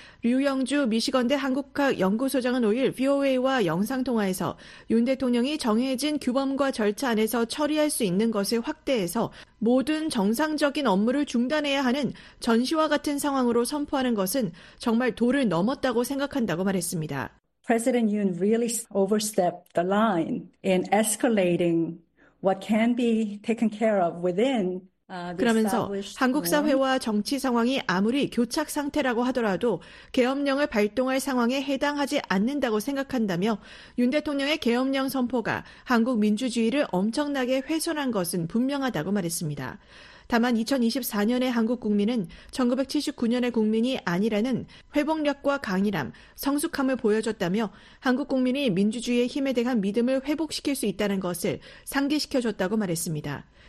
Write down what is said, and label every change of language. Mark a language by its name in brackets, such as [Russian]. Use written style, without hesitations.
[Korean] 류영주 미시건대 한국학 연구소장은 5일 VOA와 영상통화에서 윤 대통령이 정해진 규범과 절차 안에서 처리할 수 있는 것을 확대해서 모든 정상적인 업무를 중단해야 하는 전시와 같은 상황으로 선포하는 것은 정말 도를 넘었다고 생각한다고 말했습니다. [English] President Yoon really overstepped the line in escalating what can be taken care of within [Korean] 그러면서 한국 사회와 정치 상황이 아무리 교착 상태라고 하더라도 계엄령을 발동할 상황에 해당하지 않는다고 생각한다며 윤 대통령의 계엄령 선포가 한국 민주주의를 엄청나게 훼손한 것은 분명하다고 말했습니다. 다만 2024년의 한국 국민은 1979년의 국민이 아니라는 회복력과 강인함, 성숙함을 보여줬다며 한국 국민이 민주주의의 힘에 대한 믿음을 회복시킬 수 있다는 것을 상기시켜줬다고 말했습니다.